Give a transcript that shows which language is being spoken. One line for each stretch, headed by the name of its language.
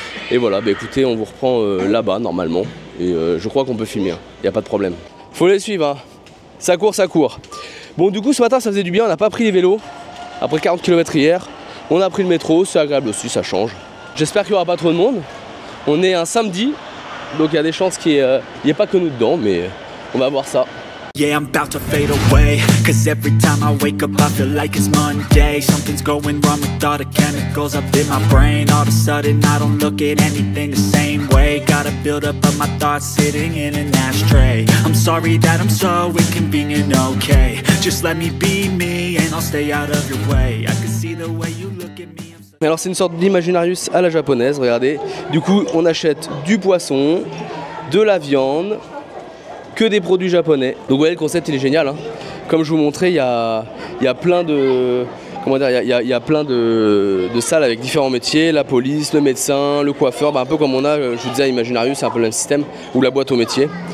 French: Et voilà, bah écoutez, on vous reprend là-bas normalement. Et je crois qu'on peut filmer, hein. Y a pas de problème. Faut les suivre, hein. Ça court, ça court. Bon, du coup, ce matin ça faisait du bien, on n'a pas pris les vélos. Après 40 km hier, on a pris le métro, c'est agréable aussi, ça change. J'espère qu'il n'y aura pas trop de monde. On est un samedi, donc il y a des chances qu'il n'y ait pas que nous dedans, mais on va voir ça.
English: Yeah, I'm about to fade away. Cause every time I wake up, I feel like it's Monday. Something's going wrong with all the chemicals up in my brain. All of a sudden, I don't look at anything the same way. Gotta build up of my thoughts sitting in an ashtray. I'm sorry that I'm so inconvenient, okay. Just let me be me and I'll stay out of your way. I can see the way you look at me.
French: Mais alors, c'est une sorte d'imaginarius à la japonaise, regardez. Du coup, on achète du poisson, de la viande. Que des produits japonais. Donc vous voyez, le concept il est génial. Hein. Comme je vous montrais, il y a plein de. Comment dire, il y a plein de salles avec différents métiers, la police, le médecin, le coiffeur, bah, un peu comme on a, je vous disais, Imaginarius, c'est un peu le même système, ou la boîte aux métiers.